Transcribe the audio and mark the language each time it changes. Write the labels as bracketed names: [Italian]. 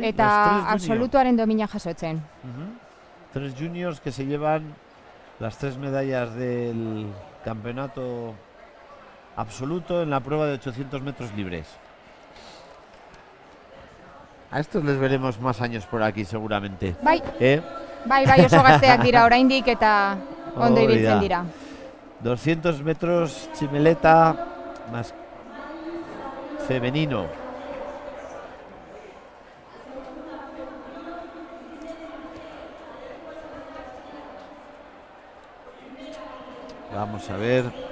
[Basque] Eta absolutuaren domina jasotzen. [Spanish] Tres juniors que se llevan las tres medallas del campeonato absoluto en la prueba de 800 metros libres. A estos les veremos más años por aquí, seguramente. [Basque] Bai. Bai, bai, oso gazteak dira, oraindik eta ondo ibiltzen dira. [Spanish] 200 metros tximeleta más femenino. Vamos a ver.